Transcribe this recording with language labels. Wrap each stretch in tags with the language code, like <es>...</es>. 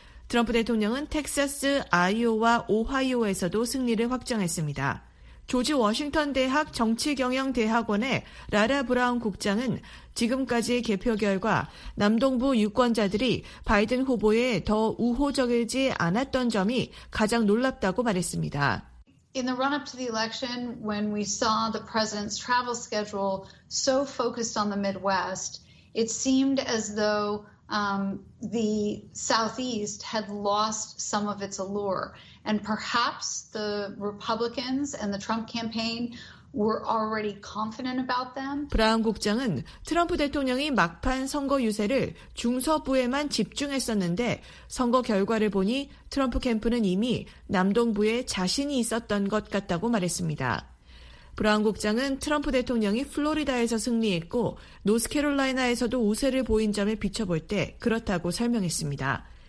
<ko>트럼프 대통령은 텍사스, 아이오와 오하이오에서도 승리를 확정했습니다. 조지 워싱턴 대학 정치경영대학원의 라라 브라운 국장은 지금까지의 개표 결과 남동부 유권자들이 바이든 후보에 더 우호적이지 않았던 점이 가장 놀랍다고 말했습니다.</ko> <en>In the run-up to the election, when we saw the president's travel schedule so focused on the Midwest, it seemed as though the Southeast had lost some of its allure. And perhaps the Republicans and the Trump campaign were already confident about them.</en> <ko>브라운 국장은 트럼프 대통령이 막판 선거 유세를 중서부에만 집중했었는데 선거 결과를 보니 트럼프 캠프는 이미 남동부에 자신이 있었던 것 같다고 말했습니다. 브라운 국장은 트럼프 대통령이 플로리다에서 승리했고 노스캐롤라이나에서도 우세를 보인 점에 비춰볼 때 그렇다고 설명했습니다.</ko>